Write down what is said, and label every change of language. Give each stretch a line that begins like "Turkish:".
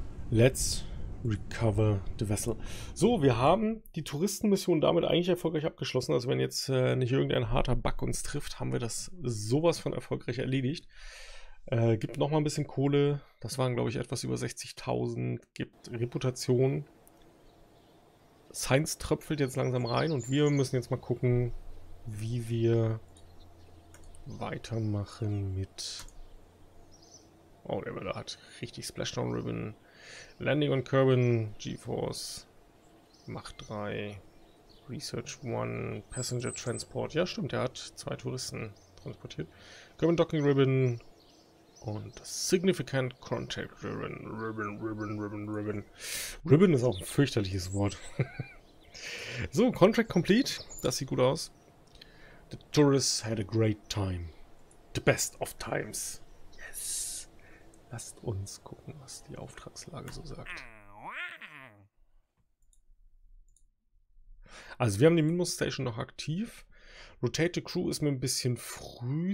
English: Let's recover the vessel.
German: So, wir haben die Touristenmission damit eigentlich erfolgreich abgeschlossen. Also wenn jetzt nicht irgendein harter Bug uns trifft, haben wir das sowas von erfolgreich erledigt. Gibt nochmal ein bisschen Kohle. Das waren, glaube ich, etwas über 60.000. Gibt Reputation. Science tröpfelt jetzt langsam rein. Und wir müssen jetzt mal gucken, wie wir weitermachen mit. Oh, der Wetter hat richtig Splashdown Ribbon. Landing on Kerbin, G-Force, Mach 3, Research 1, Passenger Transport. Ja, stimmt, er hat zwei Touristen transportiert. Kerbin Docking Ribbon und Significant Contact Ribbon. Ribbon. Ribbon ist auch ein fürchterliches Wort. So,
English: Contract complete.
German: Das sieht gut aus.
English: The tourists had a great time. The best of times.
German: Lasst uns gucken, was die Auftragslage so sagt. Also wir haben die Minmus Station noch aktiv.
English: Rotate the crew
German: ist mir ein bisschen früh.